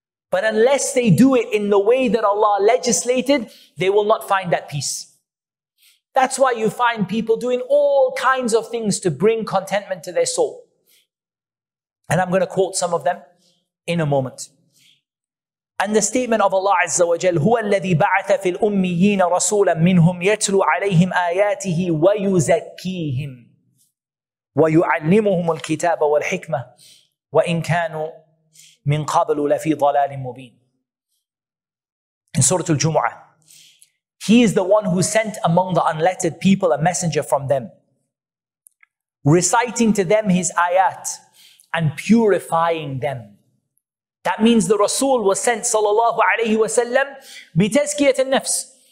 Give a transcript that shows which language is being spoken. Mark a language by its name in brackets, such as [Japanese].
[English] But unless they do it in the way that Allah legislated, they will not find that peace. That's why you find people doing all kinds of things to bring contentment to their soul. And I'm going to quote some of them in a moment. And the statement of Allah Azza wa Jal, [Arabic] هو الذي بعث في الأميين رسولا منهم يتلو عليهم آياته ويزكيهم ويعلمهم الكتاب والحكمة وإن كانوا من قبل لفي ضلال مبين. [English] In Surah Al-Jumu'ah, He is the one who sent among the unlettered people a messenger from them, reciting to them his ayat and purifying them. That means the Rasul was sent, sallallahu alayhi wa sallam, bitazkiyat al-nafs.